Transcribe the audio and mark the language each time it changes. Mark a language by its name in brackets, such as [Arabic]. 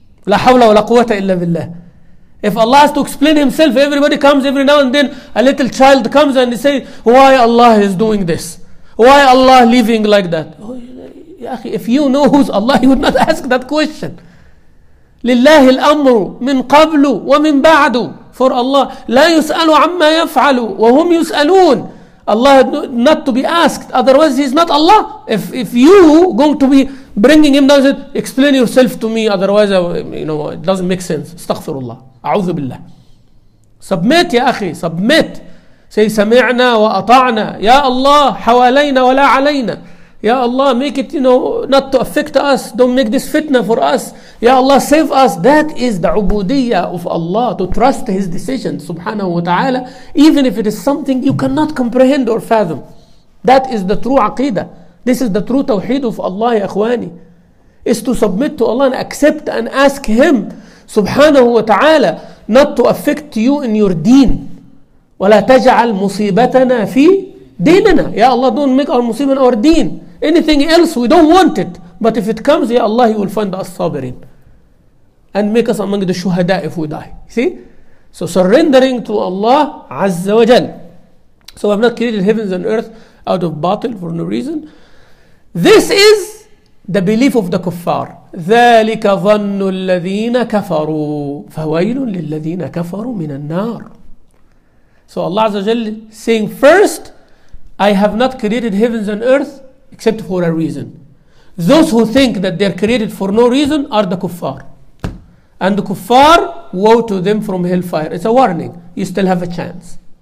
[Arabic] لا حول ولا قوة إلا بالله. [English] If Allah has to explain Himself, everybody comes every now and then, a little child comes and they say, why Allah is doing this? Why Allah living like that? Oh, if you know who's Allah, you would not ask that question. [Arabic] لله الأمر من قبل ومن بعد. [English] For Allah, [Arabic] لا يسأل عما يفعل وهم يسألون. [English] Allah not to be asked, otherwise He's not Allah. If you going to be bringing Him down, explain yourself to me, otherwise it doesn't make sense. Astaghfirullah. أعوذ بالله. Submit [Arabic] يا أخي, [English] submit. Say [Arabic] سمعنا وأطعنا. يا الله حوالينا ولا علينا. يا الله [English] make it, you know, not to affect us. Don't make this fitna for us. يا الله save us. That is the عبودية of Allah, to trust His decision سبحانه وتعالى, even if it is something you cannot comprehend or fathom. That is the true عقيدة. This is the true توحيد of Allah [Arabic] يا أخواني, [English] is to submit to Allah and accept and ask Him سبحانه وتعالى not to affect you in your deen. [Arabic] ولا تجعل مصيبتنا في ديننا. يا الله [English] don't make our مصيبة in our deen. Anything else we don't want it, but if it comes, يا الله He will find us صابرين and make us among the شهداء if we die. See, so surrendering to Allah عز وجل. So we have not created heavens and earth out of battle for no reason. This is the belief of the kuffar. [Arabic] ذلك ظن الذين كفروا فويل للذين كفروا من النار. [English] So Allah عز وجل saying, first, I have not created heavens and earth except for a reason. Those who think that they are created for no reason are the kuffar. And the kuffar woe to them from hellfire. It's a warning. You still have a chance.